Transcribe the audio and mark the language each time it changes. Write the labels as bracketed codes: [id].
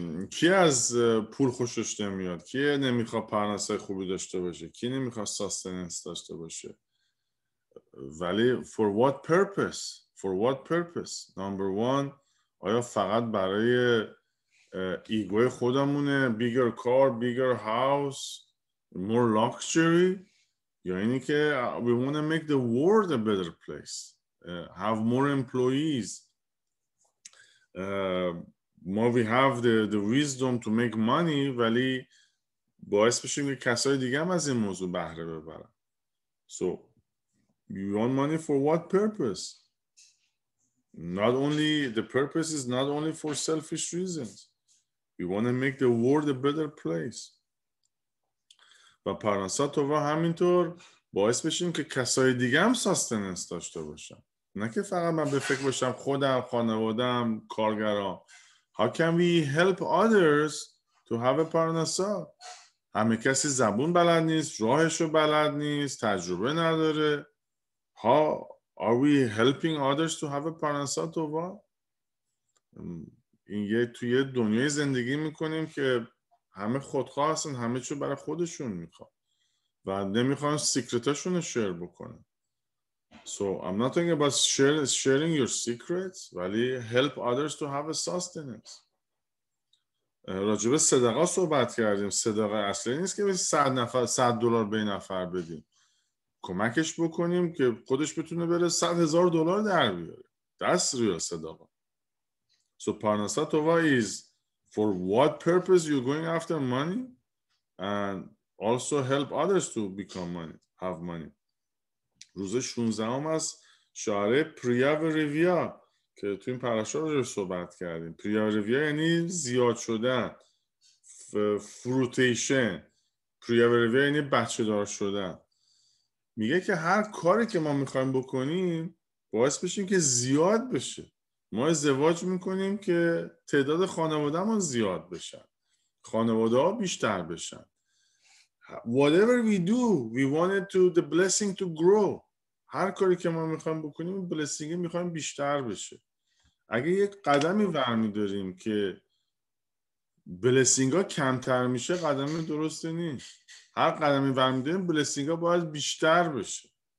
[fa] کی از پول خوشش نمیاد؟ کی نمیخواد پرنسه خوبی داشته باشه؟ کی نمیخواد sustenance داشته باشه؟ ولی [en] for what purpose؟ For what purpose؟ Number one، [fa] آیا فقط برای ایگوی خودمونه؟ [en] bigger car، bigger house، more luxury؟ [fa] یا اینی که [en] we want to make the world a better place، have more employees، more we have the wisdom to make money، [fa] ولی باعث بشیم که کسای دیگه هم از این موضوع بهره ببرن. [en] So you want money for what purpose؟ Not only the purpose is not only for selfish reasons. We want to make the world a better place. [fa] و پرنسا تووا همینطور باعث بشیم که کسای دیگه هم ساستننس داشته باشن. نه که فقط من به فکر باشم خودم، خانوادم، کارگرام. [en] How can we help others to have a [fa] پرنسا؟ همه کسی زبون بلد نیست، راهشو بلد نیست، تجربه نداره. ها؟ [en] Are we helping others to have a [fa] پرنسه تووا؟ این یه توی دنیای زندگی میکنیم که همه خودخواه هستن، همه چیو برای خودشون میخواد و نمیخوان سیکرتاشون رو شیر بکنن. [en] So I'm not talking about sharing your secrets، [fa] ولی [en] help others to have a sustenance. [fa] راجبه صدقه صحبت کردیم. صدقه اصلی نیست که 100 نفر 100 دلار به نفر بدیم، کمکش بکنیم که خودش بتونه بره 100,000 دلار در بیاره. [en] That's real صدقه. So پرنسه تووا is for what purpose you're going after money and also help others to become money, have money. [fa] روز 16 هم از شعر پریا و ریویا که تو این پرشا رو صحبت کردیم. پریا و ریویا یعنی زیاد شدن، فروتیشن. پریا و ریویا یعنی بچه دار شدن. میگه که هر کاری که ما میخوایم بکنیم باعث بشیم که زیاد بشه. ما ازدواج میکنیم که تعداد خانواده ما زیاد بشن، خانواده ها بیشتر بشن. [en] Whatever we do we wanted to the blessing to grow. [fa] هر کاری که ما میخوایم بکنیم blessing میخوایم بیشتر بشه. اگه یک قدمی برمیداریم که blessing ها کمتر میشه، قدم درسته نیست. هر قدمی برمیداریم بلسینگ ها باید بیشتر بشه.